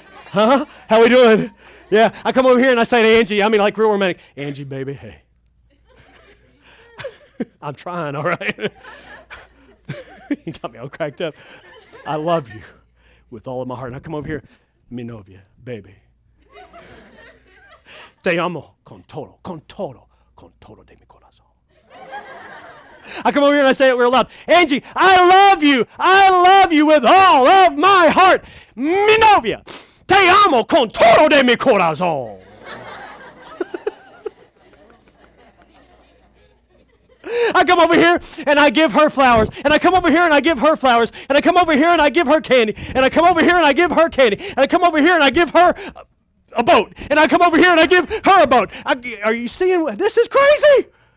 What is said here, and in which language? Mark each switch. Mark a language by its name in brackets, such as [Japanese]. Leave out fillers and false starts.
[English] Huh? How we doing? Yeah, I come over here and I say to Angie, I mean like real romantic, Angie, baby, hey. I'm trying, all right? You got me all cracked up. I love you with all of my heart. And I come over here, [Spanish] mi novia, [English] baby. [Spanish] Te amo con todo, con todo, con todo de mi corazón. [English] I come over here and I say it real loud. Angie, I love you with all of my heart. [Spanish] Mi novia, te amo con todo de mi corazón. [English] I come over here and I give her flowers. And I come over here and I give her flowers. And I come over here and I give her candy. And I come over here and I give her candy. And I come over here and I give her a boat. And I come over here and I give her a boat. Are you seeing? This is crazy.